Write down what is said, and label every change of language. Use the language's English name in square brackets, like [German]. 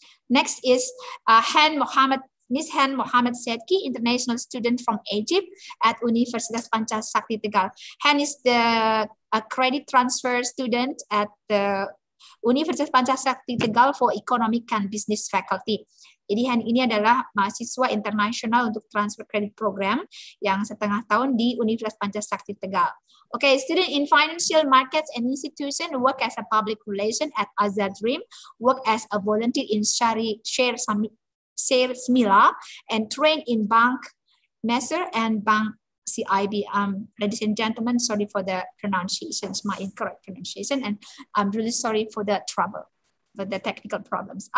[English] Next is Ms. Hend, Mohammad Sedqi, international student from Egypt at Universitas Pancasakti Tegal. Hend is the credit transfer student at the Universitas Pancasakti Tegal for Economic and Business Faculty. [Indonesian] Jadi Hend ini adalah mahasiswa internasional untuk transfer credit program yang setengah tahun di Universitas Pancasakti Tegal. [English] Okay, student in financial markets and institution, work as a public relation at Azad Dream, work as a volunteer in Share Smila, and train in Bank Messer and Bank CIB. Ladies and gentlemen, sorry for the pronunciations, my incorrect pronunciation, and I'm really sorry for the trouble, for the technical problems.